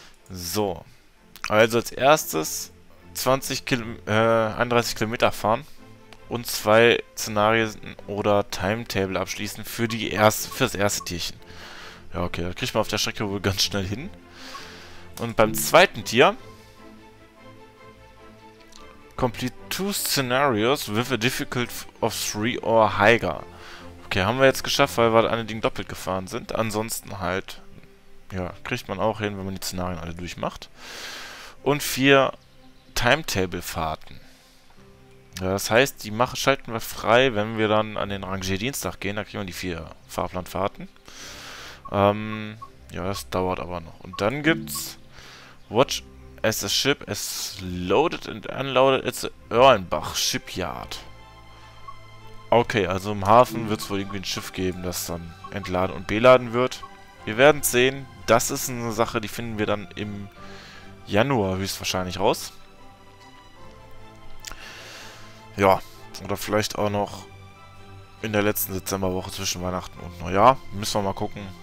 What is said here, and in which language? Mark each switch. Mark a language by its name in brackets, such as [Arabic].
[German] So, also als erstes 31 Kilometer fahren. Und 2 Szenarien oder Timetable abschließen fürs erste Tierchen. Ja, okay, das kriegt man auf der Strecke wohl ganz schnell hin. Und beim zweiten Tier. [English] Complete 2 Scenarios with a difficulty of 3 or higher. [German] Okay, haben wir jetzt geschafft, weil wir das eine Ding doppelt gefahren sind. Ansonsten halt. Ja, kriegt man auch hin, wenn man die Szenarien alle durchmacht. Und 4 Timetable-Fahrten. Ja, das heißt, die schalten wir frei, wenn wir dann an den Rangierdienstag gehen. Da kriegen wir die 4 Fahrplanfahrten. Ja, das dauert aber noch. Und dann gibt's [English] Watch as a ship is loaded and unloaded at the Erlenbach Shipyard. [German] Okay, also im Hafen wird es wohl irgendwie ein Schiff geben, das dann entladen und beladen wird. Wir werden sehen. Das ist eine Sache, die finden wir dann im Januar höchstwahrscheinlich raus. Ja, oder vielleicht auch noch in der letzten Dezemberwoche zwischen Weihnachten und Neujahr. Müssen wir mal gucken.